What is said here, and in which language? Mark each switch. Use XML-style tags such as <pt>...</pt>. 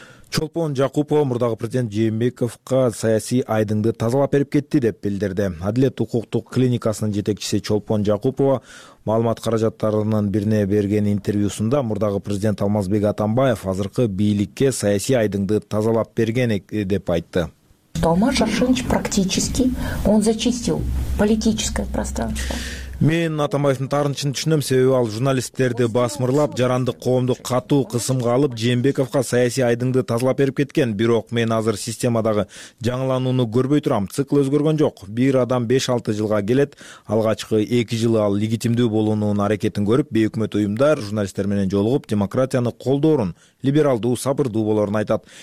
<ky>Чолпон Жакупова мурдагы президент Жээнбековго саясий айдыңды тазалап берип кетти деп билдирди. Адилет укуктук клиникасынын жетекчиси Чолпон Жакупова маалымат каражаттарынын бирине берген интервьюсунда мурдагы президент Алмазбек Атамбаев азыркы бийликке саясий айдыңды тазалап берген деп айтты.</ky> <ru>Алмаз Шаршинович практически он зачистил политическое пространство.</ru> <ky>Мен Атамбаевдин тарынчын түшүнөм, себеби ал журналисттерди басмырлап, жарандык коомду катуу кысымга алып, Жээнбековго саясий айдыңды тазалап берип кеткен. Бирок мен азыр системадагы жаңылууну көрбөй турам. Цикл өзгөргөн жок. Бир адам 5-6 жылга келет. Алгачкы 2 жылы ал легитимдүү болуунун аракетин көрүп, бейөкмөт уюмдар журналисттер менен жолугуп, демократияны колдоорун, либералдуу, сабырдуу болорун айтат.</ky>